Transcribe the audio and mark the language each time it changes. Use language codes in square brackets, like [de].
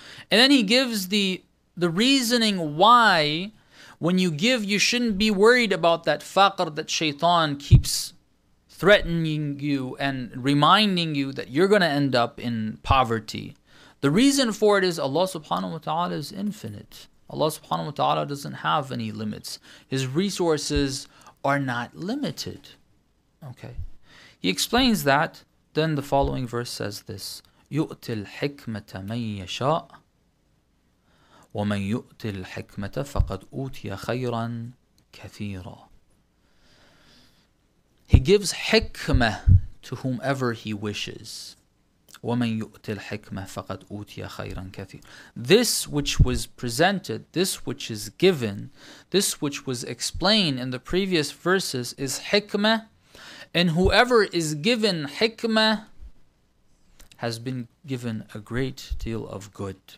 [en] And then he gives the reasoning why when you give, you shouldn't be worried about that faqr that shaitan keeps threatening you and reminding you that you're going to end up in poverty. The reason for it is Allah subhanahu wa ta'ala is infinite. Allah subhanahu wa ta'ala doesn't have any limits. His resources are not limited. Okay. He explains that. Then the following verse says this. [ar] يُؤْتِ الْحِكْمَةَ مَنْ يَشَاءَ وَمَنْ يُؤْتِ الْحِكْمَةَ فَقَدْ أُوتِيَ خَيْرًا كَثِيرًا [en] He gives hikmah to whomever he wishes. [ar] وَمَنْ يُؤْتِ الْحِكْمَةِ فَقَدْ أُوْتِيَ خَيْرًا كَثِيرًا. [en] This which was presented, this which is given, this which was explained in the previous verses is hikmah. And whoever is given hikmah has been given a great deal of good.